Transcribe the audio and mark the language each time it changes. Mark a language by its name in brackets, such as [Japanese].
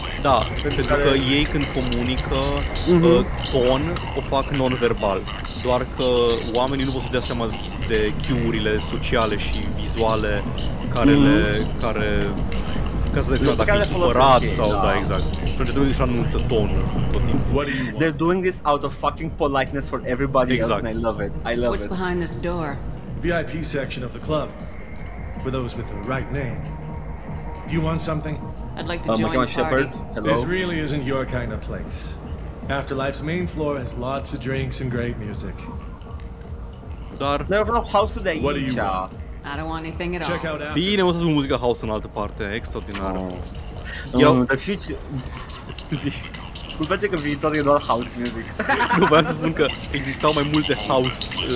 [Romanian] Da, pentru că ei când comunică ton o fac non-verbal. Doar că oamenii nu pot să dea seama de cue-urile sociale și vizuale care le... care... ca să dai seama dacă e supărat sau... Da, exact. Pentru că trebuie să anunță tonul tot timpul. [English] They're doing this out of fucking politeness for everybody [Romanian] exact [English] else and I love it. I love what's it behind this door? VIP section of the club. For those with the right name. Do you want something? I'd like to join the party. Shepard. Hello. This really isn't your kind of place. Afterlife's main floor has lots of drinks and great music. [Romanian] Dar [English] there are no house to that. What do you want? I don't want anything at check all. [Romanian] Bine, o să zic muzica house în altă parte, extraordinar. [English] Yo, the future. [Romanian] Îmi place că viitorul e doar house music. Nu, vreau să spun că existau mai multe house.